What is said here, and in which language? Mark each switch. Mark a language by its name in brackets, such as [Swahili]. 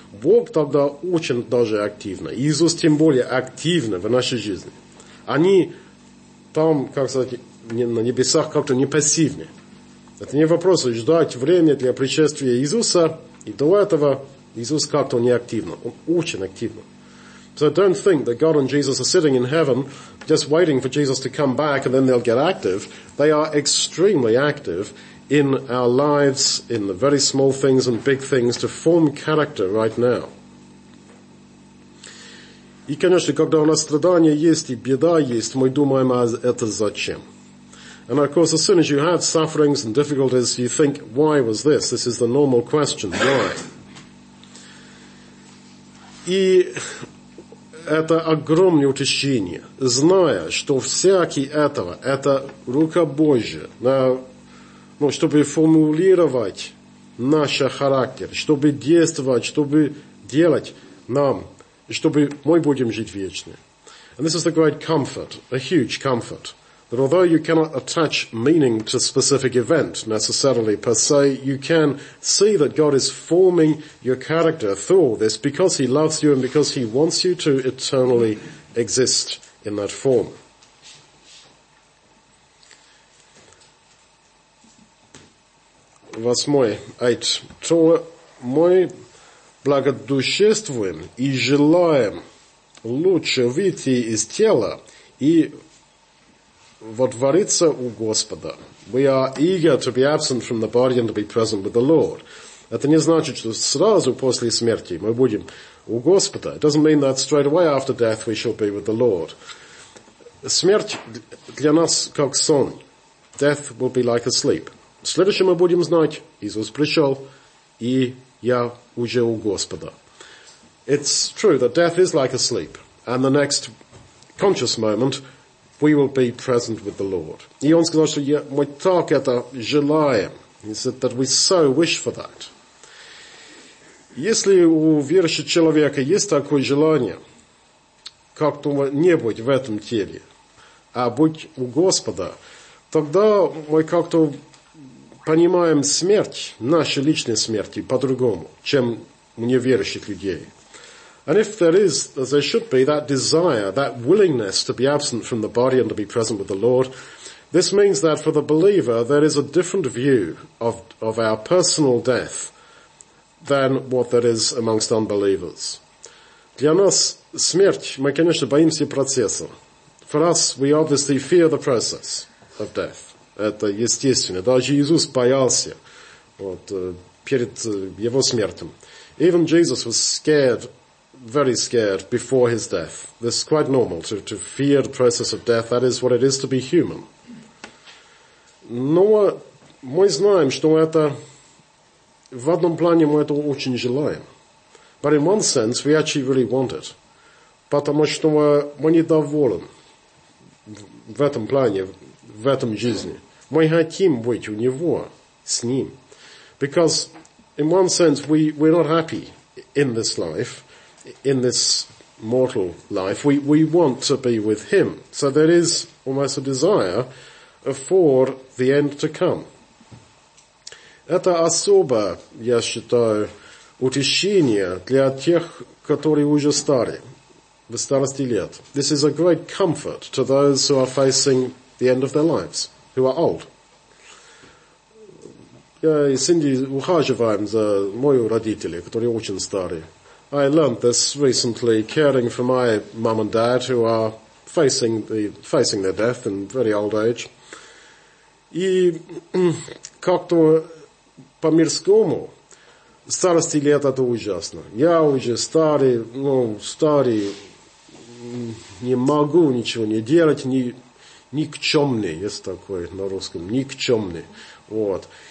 [Russian] Бог тогда очень даже активно, Иисус тем более активно в нашей жизни. Они там, как сказать, на небесах как-то не пассивны. Это не вопрос ждать время для пришествия Иисуса, и до этого Иисус как-то не активно, он очень активно. [English] So don't think that God and Jesus are sitting in heaven just waiting for Jesus to come back and then they'll get active. They are extremely active in our lives, in the very small things and big things to form character right now. [Russian] И, конечно, когда у нас страдания есть и беда есть, мы думаем, а это зачем? [English] And of course, as soon as you have sufferings and difficulties, you think, why was this? This is the normal question, why? [Russian] И это огромное утешение, зная, что всякий этого, это рука Божья. Но чтобы формулировать наш характер, чтобы действовать, чтобы делать нам, чтобы мы будем жить вечно. [English] And this is a great comfort, a huge comfort, that although you cannot attach meaning to specific event necessarily per se, you can see that God is forming your character through all this because he loves you and because he wants you to eternally exist in that form. [Russian] Восьмой, айт, то мы благодушествуем и желаем лучше выйти из тела и водвориться у Господа. [English] We are eager to be absent from the body and to be present with the Lord. [Russian] Это не значит, что сразу после смерти мы будем у Господа. [English] It doesn't mean that straight away after death we shall be with the Lord. [Russian] Смерть для нас как сон. [English] Death will be like a sleep. [Russian] Следующее мы будем знать, Иисус пришел, и я уже у Господа. [English] It's true that death is like a sleep, and the next conscious moment, we will be present with the Lord. [Russian] И он сказал, что мы так это желаем. [English] He said that we so wish for that. [Russian] Если у верующего человека есть такое желание, как-то не быть в этом теле, а быть у Господа, тогда мы как-то понимаем смерть, нашу личную смерть, по-другому, чем у неверующих людей. [English] And if there is, as there should be, that desire, that willingness to be absent from the body and to be present with the Lord, this means that for the believer there is a different view of our personal death than what there is amongst unbelievers. [Russian] Для нас смерть, мы, конечно, боимся процесса. [English] For us, we obviously fear the process of death. [Russian] Это естественно. Даже Иисус боялся перед его смертью. [English] Even Jesus was scared, very scared, before his death. This is quite normal, to fear the process of death. That is what it is to be human. [Russian] Но мы знаем, что это в одном плане мы это очень желаем. [English] But in one sense, we actually really want it. [Russian] Потому что мы недоволен в этом плане, в этом жизни. Мы хотим быть у Него, с Ним. [English] Because, in one sense, we're not happy in this life, in this mortal life. We want to be with Him. So there is almost a desire for the end to come. [Russian] Это особое, я считаю, утешение для тех, которые уже стары, в старости лет. [English] This is a great comfort to those who are facing the end of their lives, who are old. [Russian] Синди ухаживаем за мою родителей, которые очень старые. [English] I learned this recently, caring for my mum and dad who are facing their death in very old age. [Russian] И как-то по-мирскому старости лет это ужасно. Я уже старый, ну, старый, не могу ничего не делать, никчемный, есть такой на русском, никчемный. Вот.